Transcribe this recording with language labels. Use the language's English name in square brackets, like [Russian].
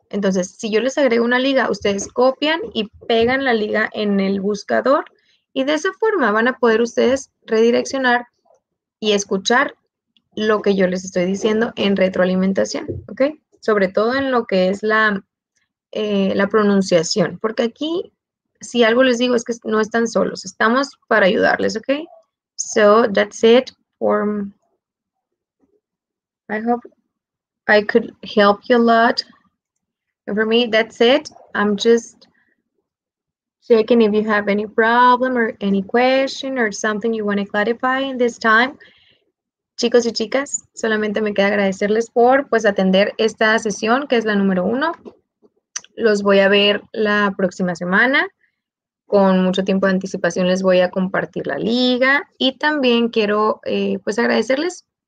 [Spanish] Entonces, si yo les agrego una liga, ustedes copian y pegan la liga en el buscador y de esa forma van a poder ustedes redireccionar y escuchar lo que yo les estoy diciendo en retroalimentación, ¿ok? Sobre todo en lo que es la pronunciación, porque aquí, si algo les digo, es que no están solos, estamos para ayudarles, ¿ok? [English] So, that's it for, I hope I could help you a lot. And for me, that's it. I'm just checking if you have any problem or any question or something you want to clarify in this time. [Spanish] Chicos y chicas, solamente me queda agradecerles por, pues, atender esta sesión, que es la número uno. Los voy a ver la próxima semana. Con mucho tiempo de anticipación les voy a compartir la liga. Y también quiero, pues, agradecerles